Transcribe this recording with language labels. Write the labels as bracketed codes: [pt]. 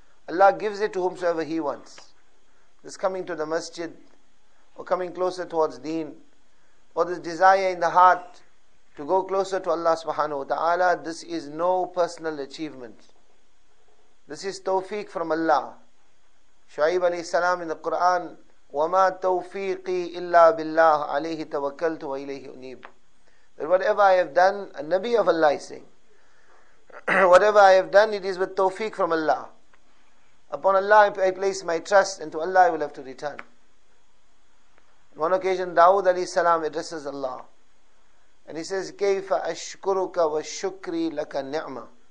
[en] Allah gives it to whomsoever He wants. This coming to the masjid, or coming closer towards deen, or this desire in the heart to go closer to Allah subhanahu wa ta'ala, this is no personal achievement. This is tawfiq from Allah. Shu'aib alayhi salam in the Quran, [ar] وَمَا تَوْفِيقِي إِلَّا بِاللَّهِ عَلَيْهِ تَوَكَّلْتُ وَإِلَيْهِ أُنِيبُ. [en] That whatever I have done, a Nabi of Allah is saying, whatever I have done, it is with tawfiq from Allah. Upon Allah I place my trust, and to Allah I will have to return. On one occasion, Dawud alayhi salam addresses Allah, and he says, [ar] كَيْفَ أَشْكُرُكَ وَشُكْرِي لَكَ نِعْمَةً.